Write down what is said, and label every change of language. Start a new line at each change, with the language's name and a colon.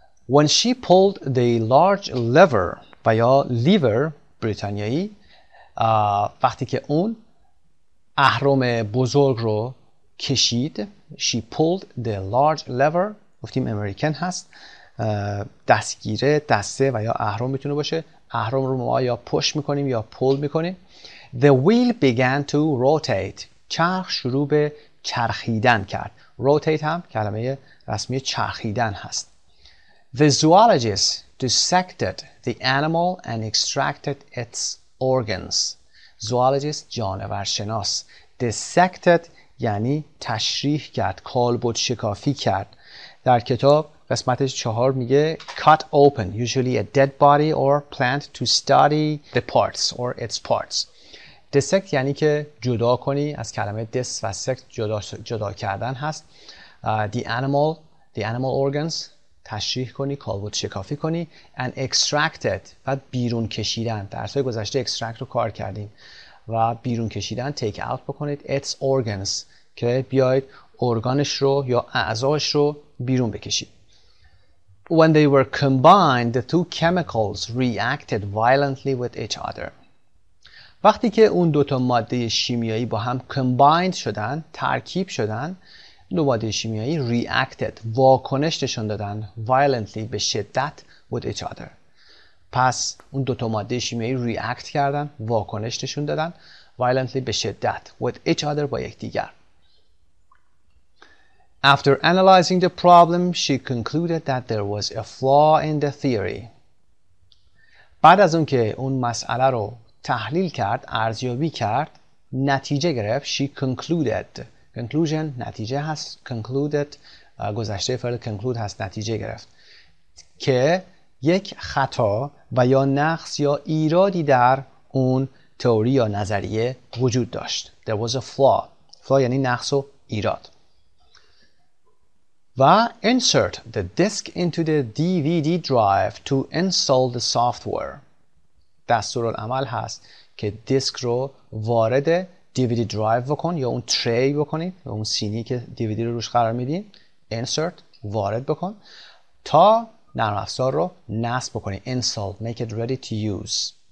English: When she pulled the large lever
Persian: و یا lever بریتانیایی، وقتی که اون اهرم بزرگ رو کشید،
English: she pulled the large lever،
Persian: گفتیم امریکن هست، دستگیره، دسته و یا اهرم میتونه باشه، اهرم رو ما یا پش میکنیم یا پول میکنیم.
English: The wheel began to rotate.
Persian: چرخ شروع به چرخیدن کرد. Rotate هم کلمه رسمی چرخیدن هست.
English: The zoologist dissected the animal and extracted its organs.
Persian: Zoologist جانورشناس. Dissected یعنی تشریح کرد. کالبد شکافی کرد. در کتاب قسمت چهار میگه
English: cut open usually a dead body or plant to study the parts or its parts.
Persian: Dissect یعنی که جدا کنی، از کلمه dis و sect جدا کردن هست.
English: The animal organs
Persian: تشریح کنی، کالبد شکافی کنی.
English: And extracted
Persian: بعد بیرون کشیدن، در سای گذشته extract رو کار کردیم و بیرون کشیدن،
English: take out
Persian: بکنید
English: its organs
Persian: که بیاید ارگانش رو یا اعضاش رو بیرون بکشید.
English: When they were combined, the two chemicals reacted violently with each other.
Persian: وقتی که اون دوتا ماده شیمیایی با هم combined شدن، ترکیب شدن، دو ماده شیمیایی reacted، واکنش نشون دادن violently، به شدت،
English: with each other.
Persian: پس اون دوتا ماده شیمیایی react کردن، واکنش نشون دادن violently، به شدت،
English: with each other،
Persian: با یک دیگر.
English: After analyzing the problem, she concluded that there was a flaw in the theory.
Persian: بعد از اون که اون مسئله رو تحلیل کرد، ارزیابی کرد، نتیجه گرفت.
English: She concluded.
Persian: Conclusion نتیجه هست. Concluded گذشته فعل conclude هست، نتیجه گرفت. که یک خطا و یا نقص یا ایرادی در اون تئوری یا نظریه وجود داشت.
English: There was a flaw.
Persian: Flaw یعنی نقص و ایراد.
English: و insert the disk into the DVD drive to install the software.
Persian: دستورالعمل هست که دیسک رو وارد DVD drive بکن یا اون tray بکنید، اون سینی که DVD رو روش قرار میدین، insert وارد بکن تا نرم افزار رو نصب بکنید.
English: Install, make it ready to use.